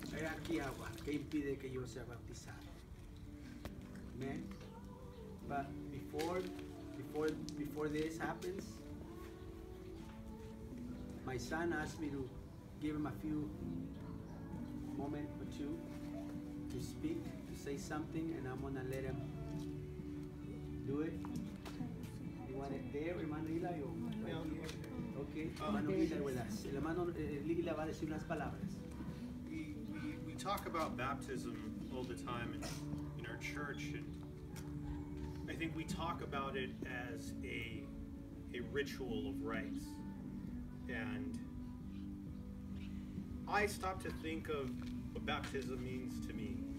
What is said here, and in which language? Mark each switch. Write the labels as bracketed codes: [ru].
[es] aquí agua que impide que yo sea bautizado. [en] Amen. But before this happens, my son asked me to give him a few moment or two to speak, to say something, and I'm gonna let him do it. You want it there, hermano Lila, or right? Okay, hermano Lila with us. [es] El hermano Lila va a decir unas palabras. [en] We talk about baptism all the time in our church, and I think we talk about it as a ritual of rites. And I stop to think of what baptism means to me.